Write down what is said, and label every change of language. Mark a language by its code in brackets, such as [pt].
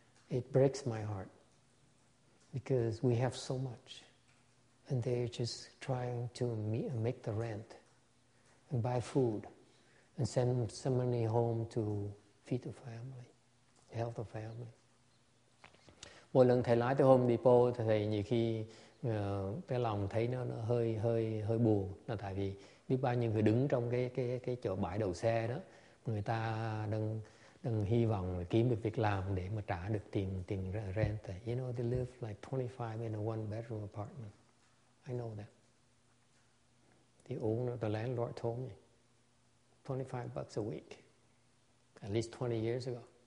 [en] It breaks my heart because we have so much. And they're just trying to make the rent and buy food and send some money home to feed the family, help the family. [vi] Một lần thầy lái tới Home Depot, thầy nhiều khi cái lòng thấy nó hơi buồn, là tại vì biết bao nhiêu người đứng trong cái chỗ bãi đậu xe đó, người ta đang hy vọng kiếm được việc làm để mà trả được tiền rent. [en] You know, they live like 25 in a one bedroom apartment. I know that. The landlord told me $25 a week, at least 20 years ago.